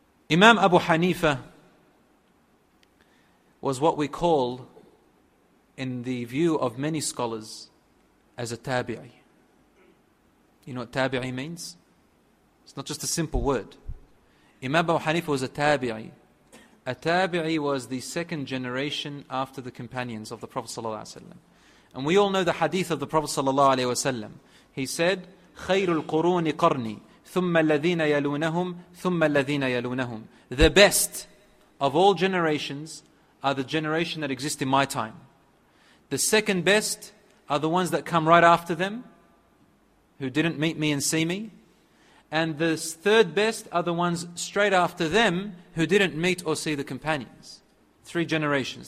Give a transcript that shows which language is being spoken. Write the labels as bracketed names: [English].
[English] Imam Abu Hanifa was what we call, in the view of many scholars, as a tabi'i. You know what tabi'i means? It's not just a simple word. Imam Abu Hanifa was a tabi'i. A tabi'i was the second generation after the companions of the Prophet sallallahu alaihi wasallam. And we all know the hadith of the Prophet sallallahu alaihi wasallam. He said, [Arabic] "خير القرون قرني ثم الذين يلونهم ثم الذين يلونهم." [English] The best of all generations are the generation that exists in my time. The second best are the ones that come right after them, who didn't meet me and see me. And the third best are the ones straight after them who didn't meet or see the companions. Three generations.